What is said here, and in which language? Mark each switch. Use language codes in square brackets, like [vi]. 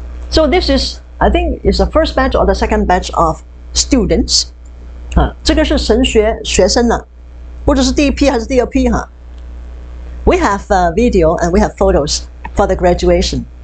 [en] So this is, I think, is the first batch or the second batch of students. [zh] 这个是神学学生了，不知是第一批还是第二批哈。 [en] We have a video and we have photos for the graduation.